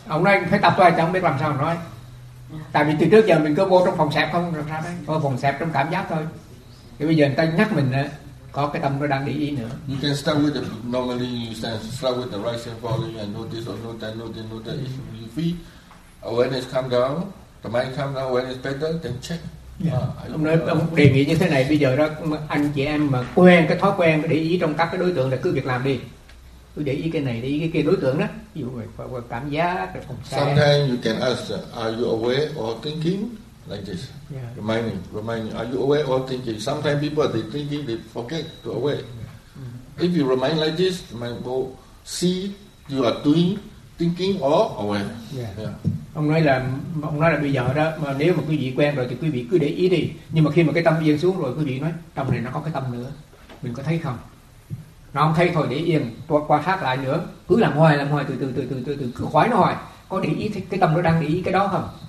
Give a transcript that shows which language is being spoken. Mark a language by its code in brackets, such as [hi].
[vi] Ông nói phải tập thôi, chẳng biết làm sao nói. Tại vì từ trước giờ mình cứ vô trong phòng sẹp không làm sao đấy. Vô phòng sẹp trong cảm giác thôi. Thì bây giờ người ta nhắc mình á, có cái tâm nó đang để ý nữa. [en] You can start with the normally you start with the rising falling and notice or note that. If you feel awareness come down, the mind come down, awareness better, then check. Yeah. [vi] Ông đề nghị như thế này, bây giờ đó anh chị em mà quen cái thói quen để ý trong các cái đối tượng là cứ việc làm đi, cứ để ý cái này, để ý cái kia đối tượng đó, ví dụ về cảm giác, cái phòng xe. [en] Sometimes you can ask, are you aware or thinking like this? Yeah. Reminding, are you aware or thinking? Sometimes people they thinking they forget to aware. Yeah. Mm-hmm. If you remind like this, you might go see you are doing thinking or aware. Yeah. [vi] Ông nói là bây giờ đó mà nếu mà quý vị quen rồi thì quý vị cứ để ý đi, nhưng mà khi mà cái tâm yên xuống rồi quý vị nói tâm này nó có cái tâm nữa, mình có thấy không? Nó không thấy thôi để yên, quan sát lại nữa, cứ làm hoài từ từ cứ khoái nó hoài, có để ý cái tâm nó đang để ý cái đó không?